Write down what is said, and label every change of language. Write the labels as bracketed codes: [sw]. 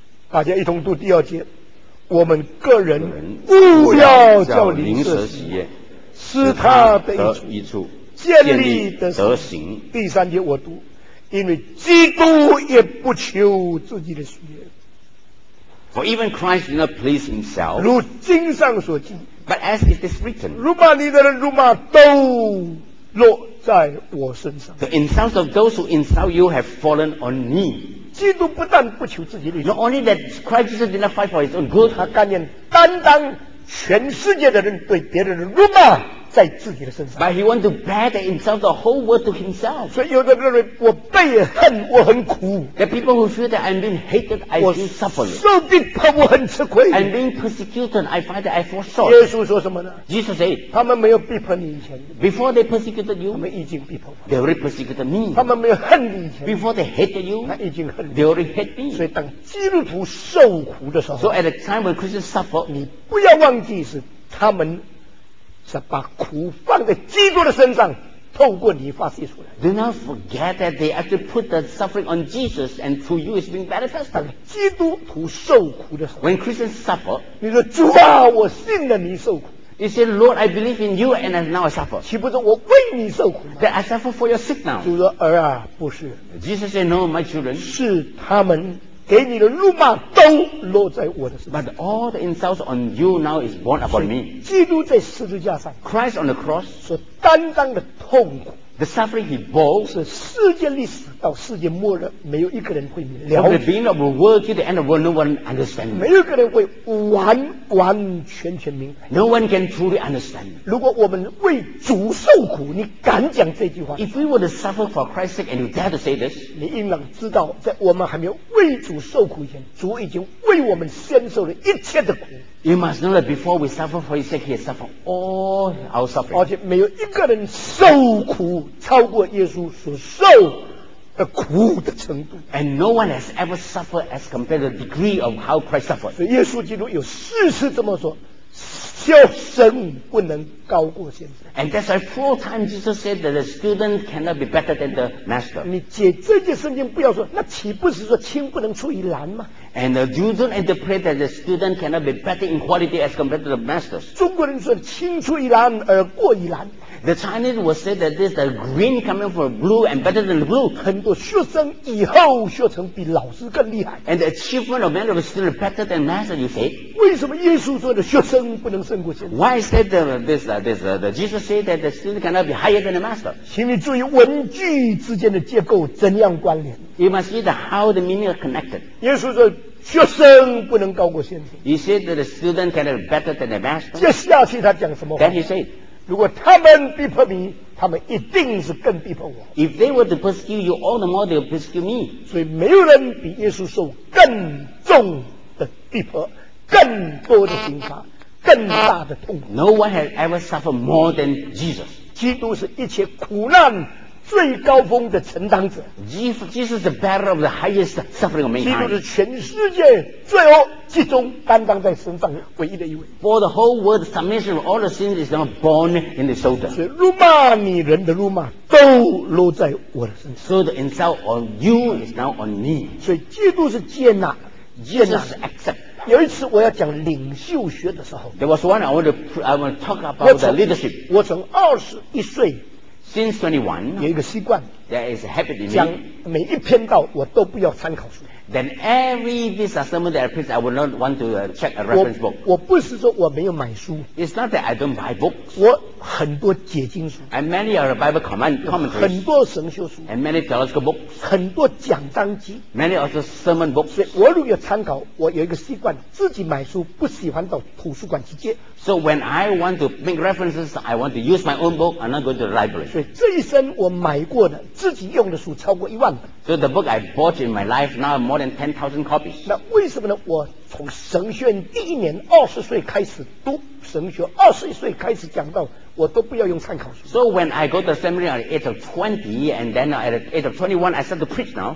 [zh] 大家一同读第二节，我们个人务要叫邻舍喜悦，使他得益处，建立德行。第三节我读。因为基督也不求自己的喜悦。 [en] For even Christ did not please himself. [zh] 如经上所记。 [en] But as it is written. [zh] 辱骂你的人辱骂都落在我身上。 [en] The insults of those who insult you have fallen on me. [zh] 基督不但不求自己的喜悦。 [en] Not only that Christ Jesus did not fight for his own good. [zh] 他甘愿担当全世界的人对别人的辱骂。在自己的身上 [en] But he want to bear the insult the whole world to himself [zh] 所以有的人认为我被恨我很苦 [en] The people who feel that I'm being hated I feel suffering [zh] 我受逼迫我很吃亏 [en] I'm being persecuted I find that I fall short [zh] 耶稣说什么呢 [en] Jesus said [zh] 他们没有逼迫你以前 [en] Before they persecuted you [zh] 他们已经逼迫我 [en] They already persecuted me [zh] 他们没有恨你以前 [en] Before they hated you [zh] 他已经恨你 [en] They already hate me [zh] 所以当基督徒受苦的时候 [en] So at the time when Christians suffer [zh] 你不要忘记是他们是把苦放在基督的身上，透过你发泄出来。 [en] Do not forget that they actually put the suffering on Jesus, and through you is being manifested. [zh] 基督徒受苦的时候 [en] ，When Christians suffer， [zh] 你说主啊，我信了你受苦。 [en] You say, Lord, I believe in you, and now I suffer. [zh] 岂不是我为你受苦 [en] ？That I suffer for your sake now. [zh] 主说儿啊，不是。 [en] Jesus said, No, my children. [zh] 是他们。给你的辱骂都落在我的身上。 [en] But all the insults on you now is borne upon me. [zh] 基督在十字架上 [en] ，Christ on the cross， [zh] 所担当的痛苦 [en] ，the suffering he bore， [zh] 是世界历史到世界末日，没有一个人会了解。 [en] From the beginning of the world to the end of the world, no one understands. [zh] 没有一个人会完完全全明白。 [en] No one can truly understand. [zh] 如果我们为主受苦，你敢讲这句话 [en] ？If we were to suffer for Christ's sake and you dare to say this, [zh] 你应当知道，在我们还没有为主受苦以前，主已经为我们先受了一切的苦。 [en] You must know that before we suffer for His sake, He has suffered all our suffering. [zh] 而且没有一个人受苦超过耶稣所受的苦的程度。 [en] And no one has ever suffered as compared to the degree of how Christ suffered. [zh] 所以耶稣基督有四次这么说，叫神不能高过先生。 [en] And that's why four times Jesus said that the student cannot be better than the master. [zh] 你解这些圣经不要说，那岂不是说亲不能出于难吗？ [en] And the Jews interpret that the student cannot be better in quality as compared to the masters. [zh] 中国人说青出于蓝而过于蓝。 [en] The Chinese will say that this is the green coming from blue and better than the blue. [zh] 很多学生以后学成比老师更厉害。 [en] And the achievement of many of the students is better than master, you say? [zh] 为什么耶稣说的学生不能胜过先生？ [en] Why is that the Jesus say that the student cannot be higher than the master? [zh] 请你注意文句之间的结构怎样关联。 [en] You must see how the meaning are connected. [zh] 耶稣说学生不能高过先生。 [en] He said that the student cannot be better than the master. [zh] 接下去他讲什么话？ [en] Then he said, [zh] 如果他们逼迫你，他们一定是更逼迫我。 [en] If they were to persecute you, all the more they will persecute me. [zh] 所以没有人比耶稣受更重的逼迫，更多的刑罚，更大的痛苦。 [en] No one has ever suffered more than Jesus. [zh] 基督是一切苦难最高峰的承担者。 [en] Jesus is the bearer of the highest suffering of mankind. [zh] 基督是全世界罪恶集中担当在身上唯一的一位。 [en] For the whole world, the summation of all the sins is now borne in the shoulder. [zh] 所以辱骂你人的辱骂都落在我的身上。 [en] So the insult on you is now on me. [zh] 所以基督是接纳，接纳是 accept。有一次我要讲领袖学的时候 [en] ，There was one I want to talk about the leadership. [zh] 我从二十一岁。 [en] Since 21, [zh] 有一个习惯 [en] there is a habit in me, [zh] 讲每一篇道我都不要参考书 [en] then every this sermon that I preach I would not want to check a reference book [zh] 我不是说我没有买书 [en] it's not that I don't buy books [zh] 我很多解经书 [en] and many are Bible commentaries [zh] 很多神学书 [en] and many theological books [zh] 很多讲章集 [en] many also sermon books [zh] 所以我如果有参考我有一个习惯自己买书不喜欢到图书馆去借 [en] So when I want to make references, I want to use my own book. I'm not going to the library. [zh] 所以这一生我买过的、自己用的书超过一万本。 [en] So the book I bought in my life now more than 10,000 copies. [zh] 那为什么呢？我从神学院第一年二十岁开始读神学，二十一岁开始讲到，我都不要用参考书。 [en] So when I go to seminary at the age of 20, and then at the age of 21, I start to preach now.